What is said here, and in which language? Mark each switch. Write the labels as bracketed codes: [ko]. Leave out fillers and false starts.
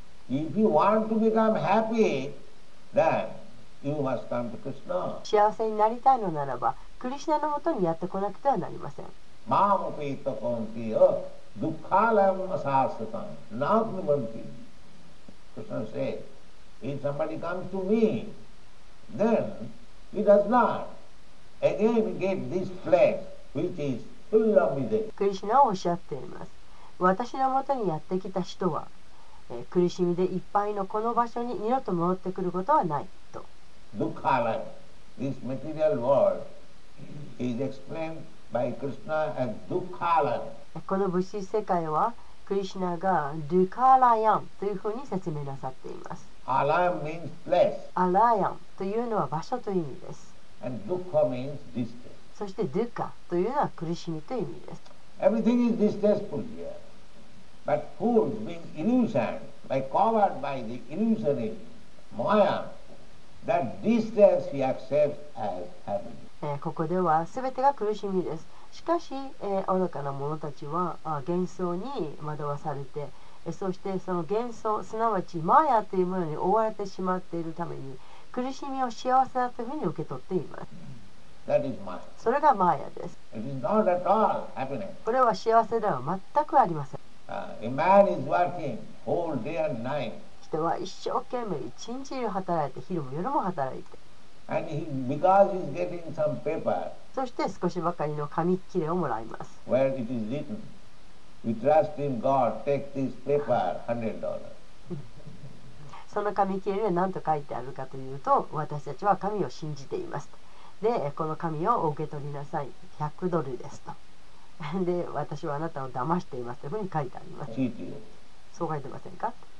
[en] If you want to become happy, thenYou must come to Krishna. [ja] 幸せになりたいのならば、クリシナのもとにやってこなくてはなりません。 [sa] マムピトコンティオ、ドカラムマサスタン、ナグニバンティ。 [en] Krishna says, if somebody comes to me, then he does not again get this flesh, which is full of misery. [ja] クリシナはおっしゃっています。私のもとにやってきた人は、苦しみでいっぱいのこの場所に二度と戻ってくることはない。 [en] Dukkhalam, this material world is explained by Krishna as Dukkhalam. [ja] この物質世界はクリシナがドゥカーラヤンというふうに説明なさっています。 [en] Alayam means place. [ja] Alayam というのは場所という意味です。 [en] And Dukkha means distress. [ja] そしてドゥカというのは苦しみという意味です。 [en] Everything is distressful here. But fools being illusioned, by covered by the illusory maya, that these deaths he accepts as heaven. [ja] ここでは全てが苦しみです。しかし、愚かな者たちは幻想に惑わされて、そしてその幻想、すなわちマヤというものに覆われてしまっているために、苦しみを幸せだというふうに受け取っています。 [en] That is Maya. [ja] それがマヤです。 [en] It is not at all happiness. [ja] これは幸せでは全くありません。 [en] A man is working whole day and night. [ja] 人は一生懸命一日中働いて、昼も夜も働いて。 [en] And he, because he's getting some paper, [ja] そして少しばかりの紙切れをもらいます。 [en] Where it is written, we trust in God, take this paper, $100. [ja] その紙切れには何と書いてあるかというと、私たちは神を信じています。で、この紙をお受け取りなさい、100ドルですと。で、私はあなたを騙していますというふうに書いてあります。 [en] Cheating. [ja] そう書いてませんか？